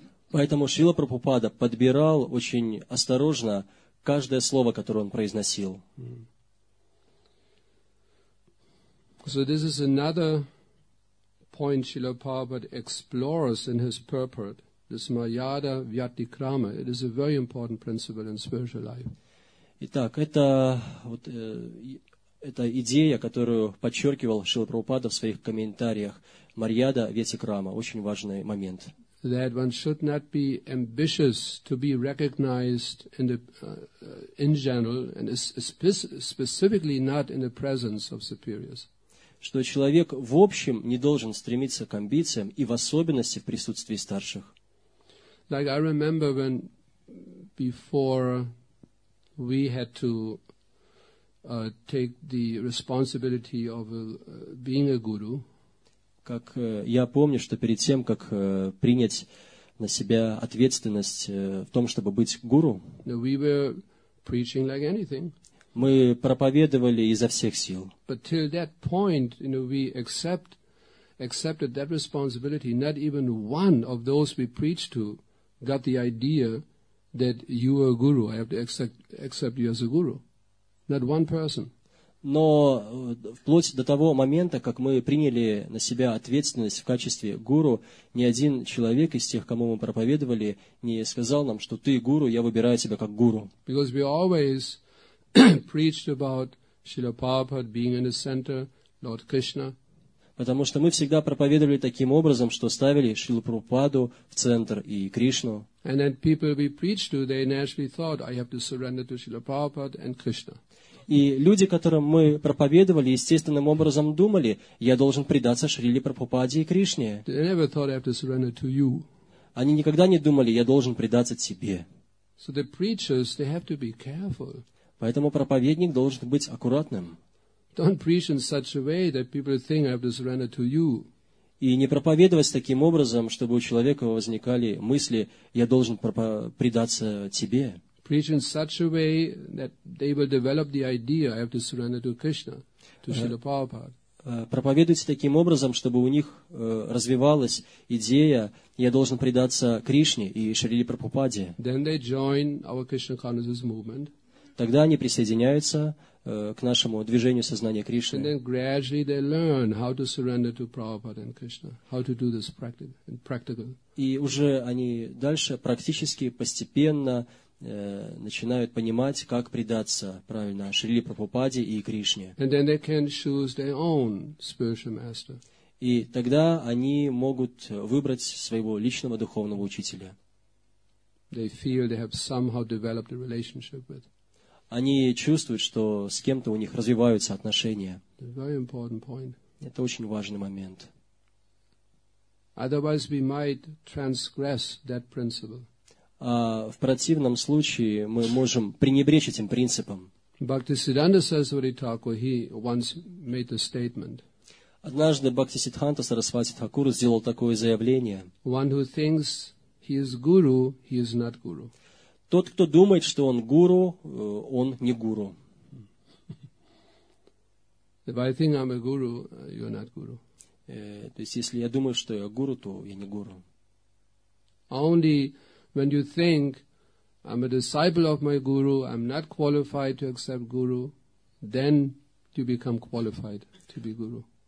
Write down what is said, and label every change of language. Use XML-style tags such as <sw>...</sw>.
<ru>Поэтому Шрила Прабхупада подбирал очень осторожно каждое слово, которое он произносил.</ru> <en>So this is another point Srila Prabhupada explores in his purport, this mayada vyatikrama. It is a very important principle in spiritual life.</en> <ru>Итак, это вот эта идея, которую подчеркивал Шрила Прабхупада в своих комментариях, Марьяда Вьятикрама, очень важный момент.</ru> <en>That one should not be ambitious to be recognized in the in general and specifically not in the presence of superiors.</en> <ru>Что человек в общем не должен стремиться к амбициям и в особенности в присутствии старших.</ru> <en>Like I remember when before we had to take the responsibility of being a guru.</en> <ru>Как я помню, что перед тем, как принять на себя ответственность в том, чтобы быть гуру,</ru> <en>we were preaching like anything.</en> <ru>Мы проповедовали изо всех сил.</ru> <en>But till that point, you know, we accepted that responsibility. Not even one of those we preached to got the idea that you are a guru, I have to accept you as a guru. Not one person.</en> <ru>Но вплоть до того момента, как мы приняли на себя ответственность в качестве гуру, ни один человек из тех, кому мы проповедовали, не сказал нам, что ты гуру, я выбираю тебя как гуру.</ru> <en>Because we always preached about Srila Prabhupada being in the center, Lord Krishna.</en> <ru>Потому что мы всегда проповедовали таким образом, что ставили Шрилу Прабхупаду в центр и Кришну.</ru> <en>And then people we preached to, they naturally thought, I have to surrender to Srila Prabhupada and Krishna.</en> <ru>И люди, которым мы проповедовали, естественным образом думали, я должен предаться Шриле Прабхупаде и Кришне.</ru> <en>They never thought I have to surrender to you.</en> <ru>Они никогда не думали, я должен предаться тебе.</ru> <en>So the preachers, they have to be careful.</en> <ru>Поэтому проповедник должен быть аккуратным.</ru> <en>Don't preach in such a way that people think I have to surrender to you.</en> <ru>И не проповедовать таким образом, чтобы у человека возникали мысли, я должен предаться тебе.</ru> <en>Preach in such a way that they will develop the idea I have to surrender to Krishna, to Srila Prabhupada.</en> <ru>Проповедуйте таким образом, чтобы у них развивалась идея, я должен предаться Кришне и Шриле Прабхупаде.</ru> <en>Then they join our Krishna consciousness movement.</en> <ru>Тогда они присоединяются к нашему движению сознания Кришны.</ru> <en>And then gradually they learn how to surrender to Prabhupada and Krishna, how to do this practically.</en> <ru>И уже они дальше практически постепенно начинают понимать, как предаться правильно Шриле Прабхупаде и Кришне.</ru> <en>And then they can choose their own spiritual master.</en> <ru>И тогда они могут выбрать своего личного духовного учителя.</ru> <en>They feel they have somehow developed a relationship with.</en> <ru>Они чувствуют, что с кем-то у них развиваются отношения.</ru> <en>Very important point.</en> <ru>Это очень важный момент.</ru> <en>Otherwise we might transgress that principle.</en> <ru>А в противном случае мы можем пренебречь этим принципом.</ru> <en>Бхактисиддханта Сарасвати Тхакур, he once made a statement.</en> <ru>Однажды Бхактисиддханта Сарасвати Тхакур сделал такое заявление.</ru> <en>One who thinks he is guru, he is not guru.</en> <ru>Тот, кто думает, что он гуру, он не гуру.</ru> <en>If I think I'm a guru, you're not guru.</en> <ru>То есть, если я думаю, что я гуру, то я не гуру.</ru> <en>Only when you think I'm a disciple of my guru, I'm not qualified to accept guru, then you become qualified to be guru.</en>